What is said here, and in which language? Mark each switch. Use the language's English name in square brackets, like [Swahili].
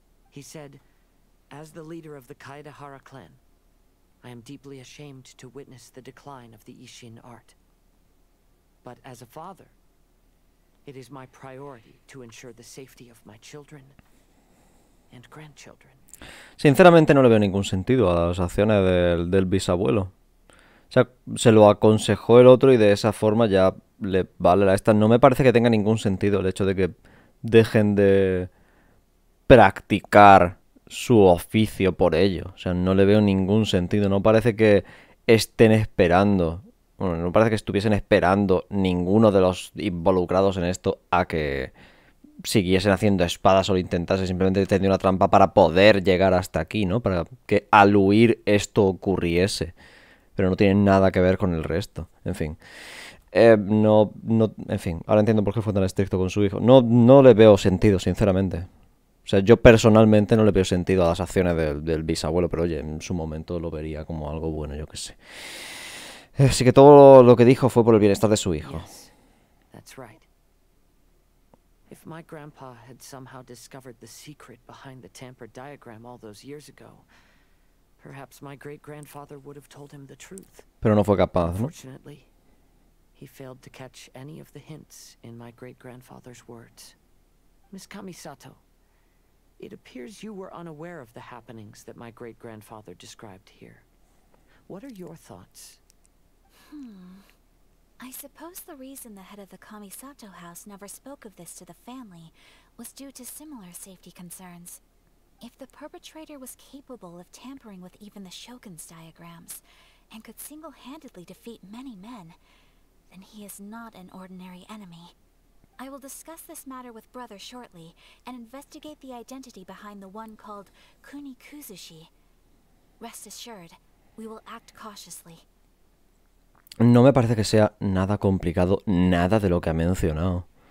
[English] He said, as the leader of the Kaidahara clan, I am deeply ashamed to witness the decline of the Ishin art. But as a father, it is my priority to ensure the safety of my children and grandchildren. [Spanish] Sinceramente no le veo ningún sentido a las acciones del bisabuelo. O sea, se lo aconsejó el otro y de esa forma ya le vale la esta. No me parece que tenga ningún sentido el hecho de que dejen de practicar su oficio por ello. O sea, no le veo ningún sentido. No parece que estén esperando. Bueno, no parece que estuviesen esperando ninguno de los involucrados en esto a que siguiesen haciendo espadas o lo intentase. Simplemente tendría una trampa para poder llegar hasta aquí, ¿no? Para que al huir esto ocurriese. Pero no tiene nada que ver con el resto. En fin. Ahora entiendo por qué fue tan estricto con su hijo. No le veo sentido, sinceramente. O sea, yo personalmente no le veo sentido a las acciones del bisabuelo, pero oye, en su momento lo vería como algo bueno, yo qué sé. Así que todo lo que dijo fue por el bienestar de su hijo. [English] If my grandpa had somehow discovered the secret behind the tampered diagram all those years ago, perhaps my great-grandfather would have told him the truth. [Spanish] Pero no fue capaz, ¿no? [English] Unfortunately, he failed to catch any of the hints in my great-grandfather's words. Miss Kamisato, it appears you were unaware of the happenings that my great-grandfather described here. What are your thoughts? I suppose the reason the head of the Kamisato house never spoke of this to the family was due to similar safety concerns. If the perpetrator was capable of tampering with even the Shogun's diagrams, and could single-handedly defeat many men, then he is not an ordinary enemy. I will discuss this matter with brother shortly, and investigate the identity behind the one called Kuni Kuzushi. Rest assured, we will act cautiously. [Spanish] No me parece que sea nada complicado, nada de lo que ha mencionado.